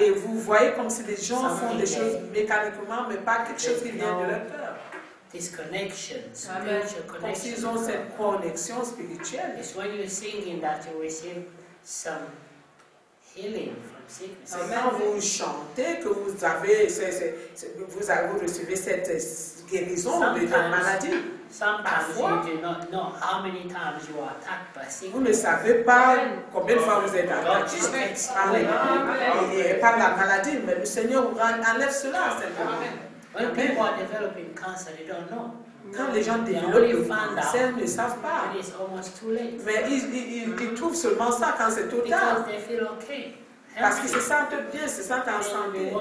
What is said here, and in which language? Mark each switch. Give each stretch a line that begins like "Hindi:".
French: et vous voyez comme si les gens font des choses mécaniquement, mais pas quelque chose qui vient de leur cœur.
English: This connection, spiritual connection.
French: Comme s'ils ont cette connexion spirituelle.
English: It's when you're singing that you receive some healing from sickness.
French: Quand vous chantez que vous avez, vous avez reçu cette guérison de la maladie.
English: Sometimes you do not know how many times you are attacked by sickness.
French: Vous ne savez pas combien de fois vous êtes attaqué par la maladie, mais le Seigneur enlève cela.
English: When people are developing cancer, they don't know.
French: Quand les gens développent le cancer, ils ne savent pas.
English: It is almost too late.
French: Mais ils trouvent seulement ça quand c'est trop tard.
English: Because they feel okay.
French: Parce qu'ils se sentent bien, ils se sentent ensemble.